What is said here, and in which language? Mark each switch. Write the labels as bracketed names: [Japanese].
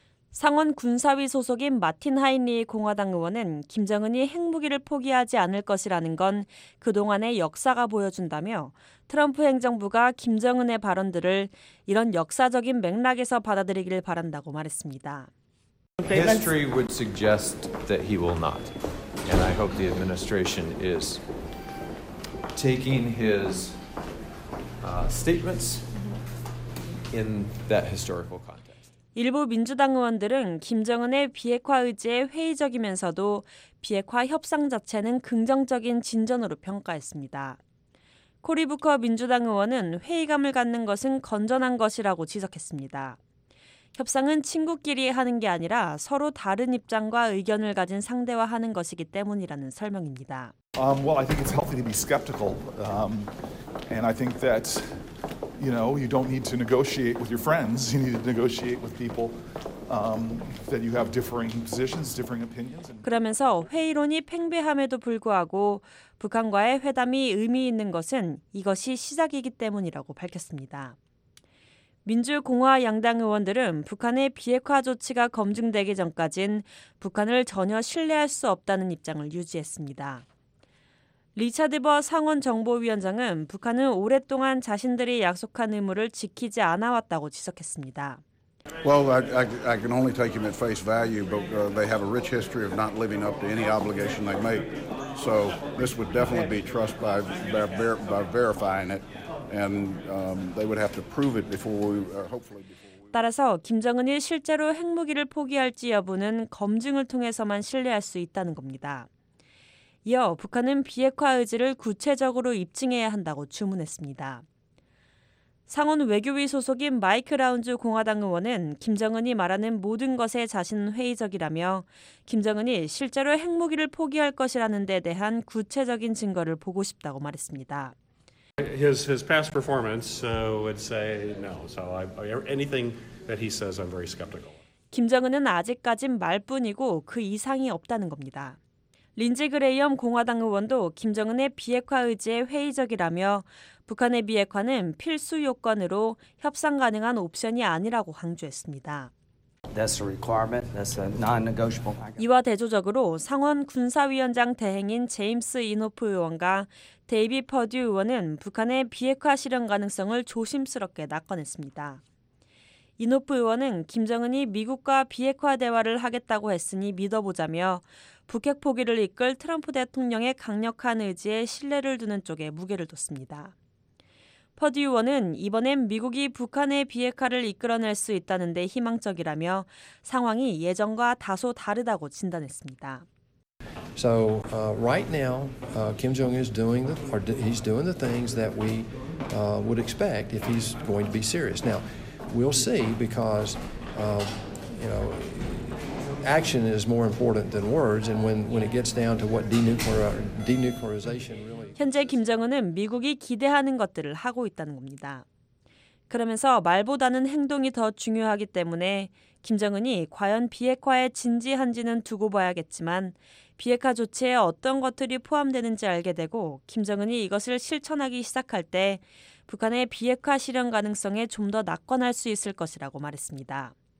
[Korean] 상원 군사위 소속인 마틴 하인리 공화당 의원은 김정은이 핵무기를 포기하지 않을 것이라는 건 그동안의 역사가 보여준다며 트럼프 행정부가 김정은의 발언들을 이런 역사적인 맥락에서 받아들이기를 바란다고 말했습니다. [English] History would suggest that he will not. And I hope the administration is taking his statements in that historical context. [Korean] 일부 민주당 의원들은 김정은의 비핵화 의지에 회의적이면서도 비핵화 협상 자체는 긍정적인 진전으로 평가했습니다. 코리 부커 민주당 의원은 회의감을 갖는 것은 건전한 것이라고 지적했습니다. 협상은 친구끼리 하는 게 아니라 서로 다른 입장과 의견을 가진 상대와 하는 것이기 때문이라는 설명입니다. [English] Well, I think it's healthy to be skeptical. And I think that you know, you don't need to negotiate with your friends. You need to negotiate with people that you have differing positions, differing opinions. [Korean] 그러면서 회의론이 팽배함에도 불구하고 북한과의 회담이 의미 있는 것은 이것이 시작이기 때문이라고 밝혔습니다. 민주공화 양당 의원들은 북한의 비핵화 조치가 검증되기 전까진 북한을 전혀 신뢰할 수 없다는 입장을 유지했습니다. 리차드 버 상원 정보위원장은 북한은 오랫동안 자신들이 약속한 의무를 지키지 않아왔다고 지적했습니다. [English] Well, I can only take him at face value, but they have a rich history of not living up to any obligation they make. So this would definitely be trust by verifying it, and they would have to prove it before we hopefully. [Korean] 따라서 김정은이 실제로 핵무기를 포기할지 여부는 검증을 통해서만 신뢰할 수 있다는 겁니다. 이어 북한은 비핵화 의지를 구체적으로 입증해야 한다고 주문했습니다. 상원 외교위 소속인 마이크 라운즈 공화당 의원은 김정은이 말하는 모든 것에 자신은 회의적이라며 김정은이 실제로 핵무기를 포기할 것이라는 데 대한 구체적인 증거를 보고 싶다고 말했습니다. [English] His past performance would say no. So anything that he says, I'm very skeptical. [Korean] 김정은은 아직까진 말뿐이고 그 이상이 없다는 겁니다. 린지 그레이엄 공화당 의원도 김정은의 비핵화 의지에 회의적이라며 북한의 비핵화는 필수 요건으로 협상 가능한 옵션이 아니라고 강조했습니다. [English] That's a requirement. That's a non-negotiable. [Korean] 이와 대조적으로 상원 군사위원장 대행인 제임스 이노프 의원과 데이비 퍼듀 의원은 북한의 비핵화 실현 가능성을 조심스럽게 낙관했습니다. 이노프 의원은 김정은이 미국과 비핵화 대화를 하겠다고 했으니 믿어보자며 북핵 포기를 이끌 트럼프 대통령의 강력한 의지에 신뢰를 두는 쪽에 무게를 뒀습니다. 퍼듀 의원은 이번엔 미국이 북한의 비핵화를 이끌어낼 수 있다는 데 희망적이라며 상황이 예전과 다소 다르다고 진단했습니다. [English] So right now Kim Jong is doing the or he's doing the things that we would expect if he's going to be serious. Now we'll see because action is more important than words and when it gets down to what denuclearization really [Korean] 현재 김정은은 미국이 기대하는 것들을 하고 있다는 겁니다. 그러면서 말보다는 행동이 더 중요하기 때문에 김정은이 과연 비핵화에 진지한지는 두고 봐야겠지만 비핵화 조치에 어떤 것들이 포함되는지 알게 되고 김정은이 이것을 실천하기 시작할 때 북한의 비핵화 실현 가능성에 좀 더 낙관할 수 있을 것이라고 말했습니다.